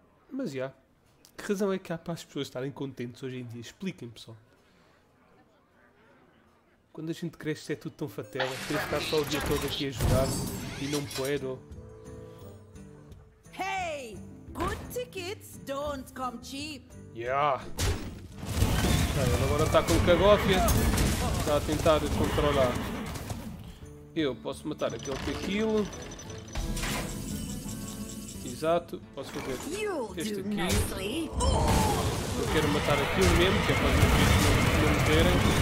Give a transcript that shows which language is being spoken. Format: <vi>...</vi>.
<pt>Mas já. Que razão é que há para as pessoas estarem contentes hoje em dia? Expliquem-me só. Quando a gente cresce é tudo tão fatela. Queria ficar só o dia todo aqui a jogar e não puedo.</pt> <en>Hey! Good tickets don't come cheap! Yeah!</en> <pt>Ah, ele agora está com cagófia. Está a tentar controlar. Eu posso matar aquele que aquilo. Exato, posso fazer este aqui. Eu quero matar aquilo mesmo, que é para os bichos não morrerem.</pt>